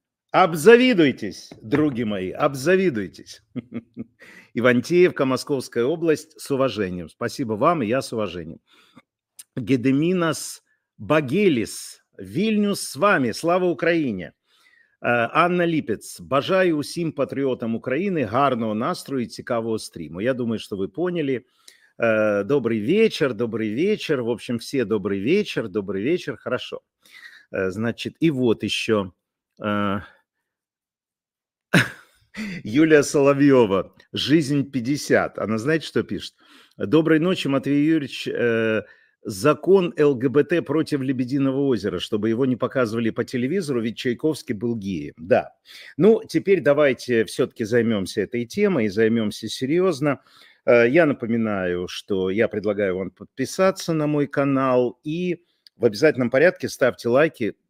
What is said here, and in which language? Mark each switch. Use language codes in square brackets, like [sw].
[ru] Обзавидуйтесь, други мои, обзавидуйтесь. Ивантеевка, Московская область, с уважением. Спасибо вам, и я с уважением. Гедеминас Багелис, Вильнюс с вами, слава Украине. [uk] Анна Ліпець, бажаю усім патріотам України гарного настрою і цікавого стріму. Я думаю, що ви поняли. Добрий вечір, добрий вечір. [ru] В общем, [uk] всі добрий вечір, [ru] хорошо. Значить, [uk] і от ще. Юлія Соловйова, «Жизнь 50». Вона знаєте, що пише? Доброї ночі, Матвій Юрійович. [ru] Закон ЛГБТ против Лебединого озера, чтобы его не показывали по телевизору, ведь Чайковский был геем. Да. Ну, теперь давайте все-таки займемся этой темой и займемся серьезно. Я напоминаю, что я предлагаю вам подписаться на мой канал и в обязательном порядке ставьте лайки.